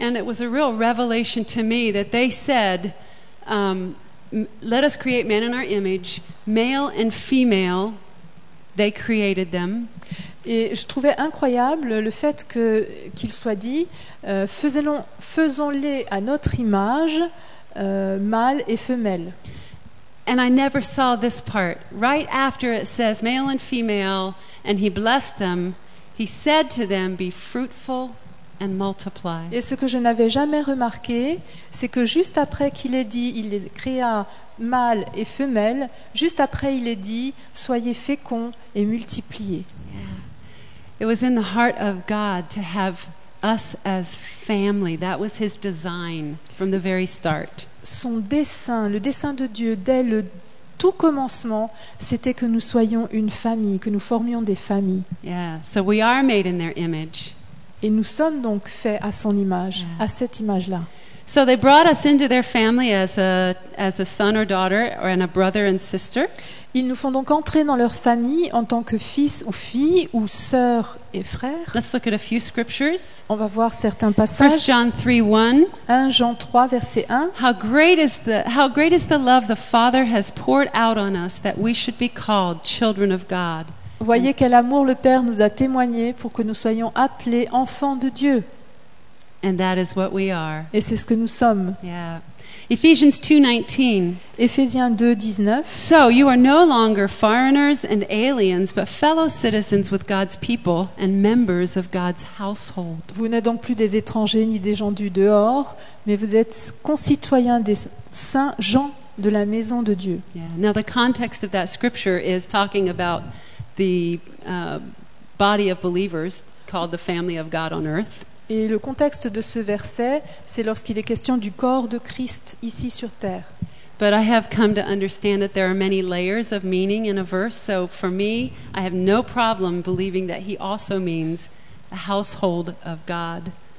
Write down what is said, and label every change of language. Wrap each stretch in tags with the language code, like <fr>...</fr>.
<en>And it was a real revelation to me that they said let us create man in our image, male and female, they created them.</en> <fr>Et je trouvais incroyable le fait que, qu'il soit dit faisons-les à notre image, mâle et femelle.</fr> <en>And I never saw this part. Right after it says male and female, and he blessed them, he said to them, be fruitful and multiply.</en> <fr>Et ce que je n'avais jamais remarqué, c'est que juste après qu'il ait dit, il les créa mâle et femelle, juste après il ait dit, soyez féconds et multipliez.</fr> <en>It was in the heart of God to have us as family. That was his design from the very start.</en> <fr>Son dessein, le dessein de Dieu dès le tout commencement, c'était que nous soyons une famille, que nous formions des familles.</fr> <en>Yeah, so we are made in their image. Et nous sommes donc faits à son image, yeah. À cette image-là. So they brought us into their family as a son or daughter or and a brother and sister.</en> <fr>Ils nous font donc entrer dans leur famille en tant que fils ou fille ou sœur et frère.</fr> <en>Let's look at a few scriptures.</en> <fr>On va voir certains passages.</fr> <en>1 John 3:1. How great is the love the Father has poured out on us that we should be called children of God.</en> <fr>Voyez quel amour le Père nous a témoigné pour que nous soyons appelés enfants de Dieu.</fr> <en>And that is what we are.</en> <fr>Et c'est ce que nous sommes.</fr> <en>Yeah. Ephesians 2:19.</en> <fr>Ephésiens 2:19.</fr> <en>So you are no longer foreigners and aliens, but fellow citizens with God's people and members of God's household.</en> <fr>Vous n'êtes donc plus des étrangers ni des gens du dehors, mais vous êtes concitoyens des saints gens de la maison de Dieu.</fr> <en>Yeah. Now the context of that scripture is talking about the body of believers called the family of God on earth.</en> <fr>Et le contexte de ce verset, c'est lorsqu'il est question du corps de Christ ici sur terre.</fr> <en>But I have come to understand that there are many layers of meaning in a verse. So for me, I have no problem believing that he also means a household of God.</en>